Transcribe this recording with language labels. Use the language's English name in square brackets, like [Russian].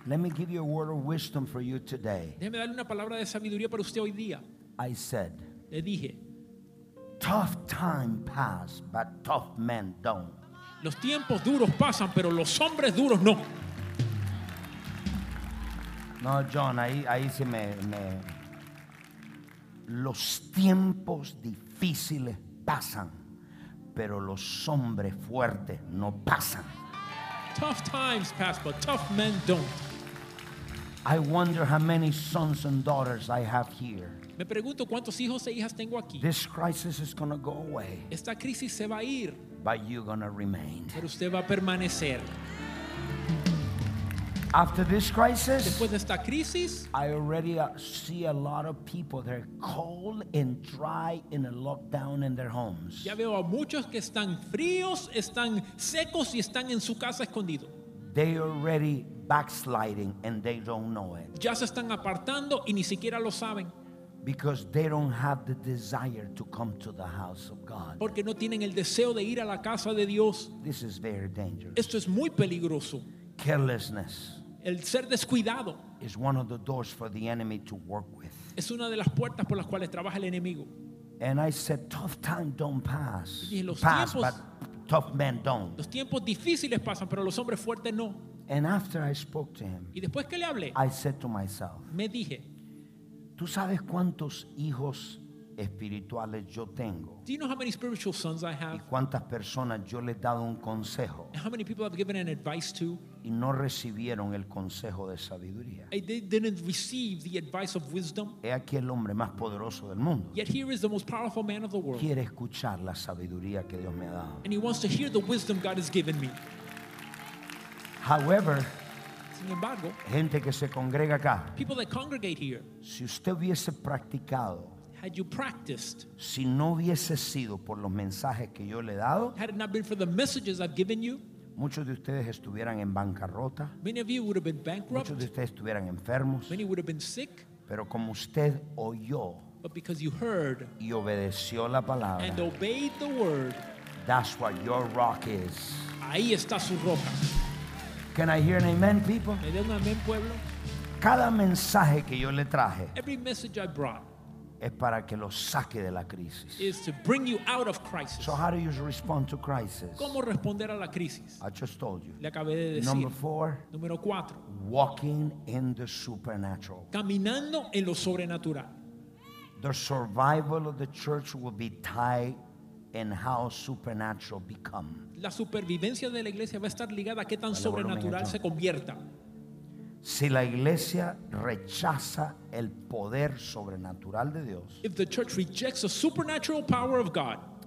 [English] Let me give you a word of wisdom for you today. [Spanish] Déjeme darle una palabra de sabiduría para usted hoy día. [English] I said. [Spanish] Le dije. [English] Tough time pass, but tough men don't. [Spanish] Los tiempos duros pasan, pero los hombres duros no. No, John, ahí sí me. Los tiempos difíciles pasan, pero los hombres fuertes no pasan. [English] Tough times pass, but tough men don't. I wonder how many sons and daughters I have here. [Spanish] Me pregunto cuántos hijos e hijas tengo aquí. [English] This crisis is gonna go away. [Spanish] Esta crisis se va a ir. [English] But you're gonna remain. [Spanish] Pero usted va a permanecer. [English] After this crisis, [Spanish] después de esta crisis, [English] I already see a lot of people that are cold and dry in a lockdown in their homes. [Spanish] Ya veo a muchos que están fríos, están secos y están en su casa escondidos. [English] They already backsliding and they don't know it. [Spanish] Ya se están apartando y ni siquiera lo saben. [English] Because they don't have the desire to come to the house of God. [Spanish] Porque no tienen el deseo de ir a la casa de Dios. [English] This is very dangerous. [Spanish] Esto es muy peligroso. [English] Carelessness. [Spanish] El ser descuidado. [English] Is one of the doors for the enemy to work with. [Spanish] Es una de las puertas por las cuales trabaja el enemigo. [English] And I said, tough times don't pass. [Spanish] Y los [English] pass, [Spanish] tiempos, [English] but tough men don't. [Spanish] Los tiempos difíciles pasan, pero los hombres fuertes no. [English] And after I spoke to him, [Spanish] y después que le hablé, [English] I said to myself, [Spanish] me dije, ¿tú sabes cuántos hijos espirituales yo tengo? [English] Do you know how many spiritual sons I have? [Spanish] ¿Y cuántas personas yo les he dado un consejo? [English] And how many people I've given an advice to? [Spanish] Y no recibieron el consejo de sabiduría. [English] And they didn't receive the advice of wisdom. [Spanish] He aquí el hombre más poderoso del mundo. [English] Yet here is the most powerful man of the world. [Spanish] Quiere escuchar la sabiduría que Dios me ha dado. [English] And he wants to hear the wisdom God has given me. However, [Spanish] sin embargo, gente que se congrega acá, [English] people that congregate here, [Spanish] si usted hubiese practicado, [English] had you practiced, [Spanish] si no hubiese sido por los mensajes que yo le he dado, [English] had it not been for the messages I've given you, [Spanish] muchos de ustedes estuvieran en bancarrota, [English] many of you would have been bankrupt, [Spanish] muchos de ustedes estuvieran enfermos, [English] many would have been sick, [Spanish] pero como usted oyó, [English] but because you heard, [Spanish] y obedeció la palabra, [English] and obeyed the word, that's what your rock is. [Spanish] Ahí está su roca. [English] Can I hear an amen, people? [Spanish] ¿Me den un amén, pueblo? Cada mensaje que yo le traje, [English] every message I brought, [Spanish] es para que lo saque de la crisis. [English] Is to bring you out of crisis. So how do you respond to crisis? [Spanish] ¿Cómo responder a la crisis? [English] I just told you. [Spanish] Le acabé de decir. [English] Number four. [Spanish] Número cuatro. [English] Walking in the supernatural. [Spanish] Caminando en lo sobrenatural. [English] The survival of the church will be tied in how supernatural become. [Spanish] La supervivencia de la iglesia va a estar ligada a qué tan sobrenatural se convierta. Si la iglesia rechaza el poder sobrenatural de Dios, [English] if the church rejects the supernatural power of God,